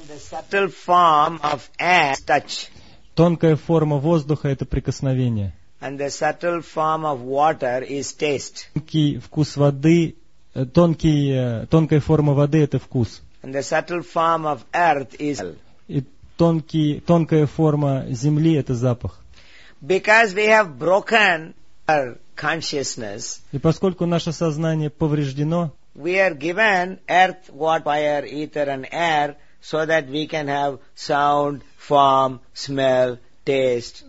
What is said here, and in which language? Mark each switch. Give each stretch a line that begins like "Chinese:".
English: Subtle form of air is touch.
Russian: Тонкая форма воздуха – это прикосновение.
English: And the subtle form of water is taste.
Russian: Тонкий вкус воды, тонкая форма воды – это вкус.
English: And the subtle form of earth is.
Russian: И тонкая форма земли – это запах.
English: Because we have broken our consciousness.
Russian: И поскольку наше сознание повреждено.
English: We are given earth, water, fire, ether, and air. So that we can have sound, form, smell, taste.